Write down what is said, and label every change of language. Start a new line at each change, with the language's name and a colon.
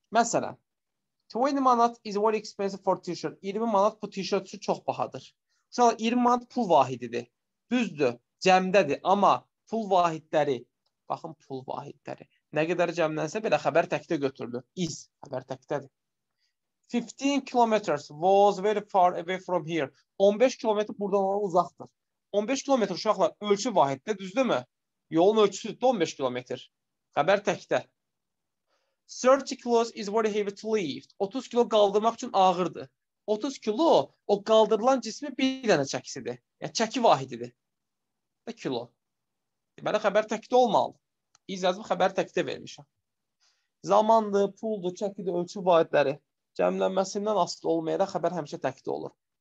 Azerbaijani: Məsələn,
English: 20 manat is very expensive for t-shirt.
Azerbaijani: 20 manat bu t-shirt üçün çox bahadır. Məsələn, 20 manat pul vahididir. Düzdür, cəmdədir. Amma pul vahidləri, baxın pul vahidləri. Nə qədər cəmlənsə belə xəbər təkdə götürülür. Is, xəbər təkdədir.
English: 15 kilometers was very far away from here.
Azerbaijani: 15 kilometre buradan uzaqdır. 15 kilometre uşaqlar ölçü vahidlə düzdürmü? Yolun ölçüsü 15 kilometre. Xəbər təkdə.
English: 30 kilos is very heavy to lift.
Azerbaijani: 30 kilo qaldırmaq üçün ağırdır. 30 kilo o qaldırılan cismin bir dənə çəkisidir. Yəni çəki vahididir. Və kilo. Deməli xəbər təkdə olmalı. İz yazıb xəbər təkdə vermişəm. Zamandır, puldur, çəkidir, ölçü vahidləri. Cəmlənməsindən asılı olmayaraq xəbər həmişə təkdə olur.